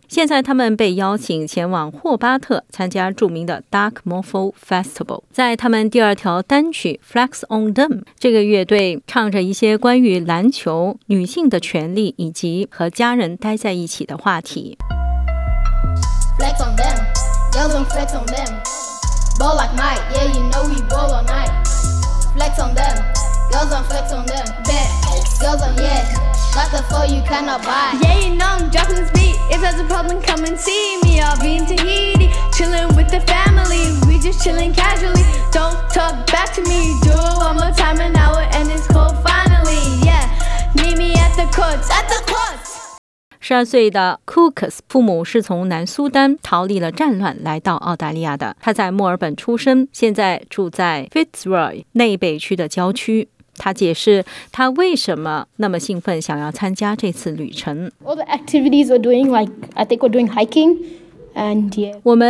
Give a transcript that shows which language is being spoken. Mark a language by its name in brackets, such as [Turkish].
[Chinese] 现在他们被邀请前往霍巴特参加著名的 Dark Morpho Festival。在他们第2条单曲 Flex on Them， 这个乐队唱着一些关于篮球、女性的权利以及和家人待在一起的话题。 [English] Flex on them, girls don't flex on them. Ball like Mike, yeah you know we ball all night. Flex on them, girls don't flex on them. Bad, girls don't, yeah. Not the four you cannot buy. Yeah, you know I'm dropping this beat. If there's a problem, come and see me. I'll be in Tahiti, chilling with the family. We just chilling casually. Don't talk back to me. Do it one more time, an hour, and it's cool. Finally, yeah. Meet me at the courts. At the courts. [Chinese] 12岁的 Cookus 父母是从南苏丹逃离了战乱来到澳大利亚的。他在墨尔本出生，现在住在 Fitzroy 内北区的郊区。他解释他为什么那么兴奋想要参加这次旅程。 [English] All the activities we're doing, like I think we're doing hiking and yeah.